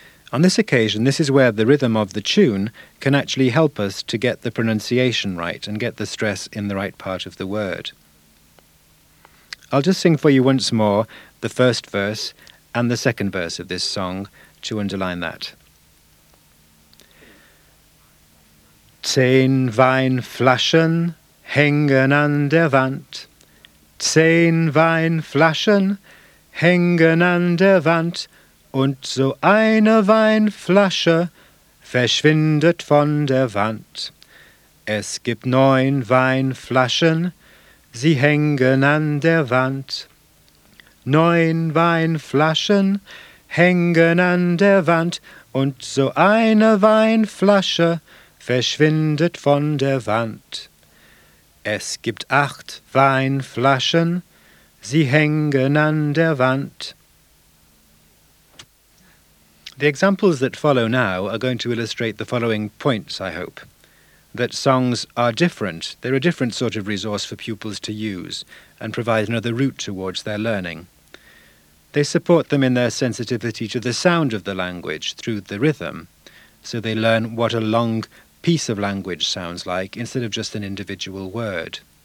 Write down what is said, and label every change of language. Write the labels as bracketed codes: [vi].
[en] On this occasion, this is where the rhythm of the tune can actually help us to get the pronunciation right and get the stress in the right part of the word. I'll just sing for you once more the first verse and the second verse of this song to underline that. [de] Zehn Weinflaschen hängen an der Wand. Zehn Weinflaschen hängen an der Wand. Und so eine Weinflasche verschwindet von der Wand. Es gibt neun Weinflaschen, sie hängen an der Wand. Neun Weinflaschen hängen an der Wand. Und so eine Weinflasche verschwindet von der Wand. Es gibt acht Weinflaschen, sie hängen an der Wand. [en] The examples that follow now are going to illustrate the following points, I hope. That songs are different. They're a different sort of resource for pupils to use and provide another route towards their learning. They support them in their sensitivity to the sound of the language through the rhythm, so they learn what a long piece of language sounds like instead of just an individual word.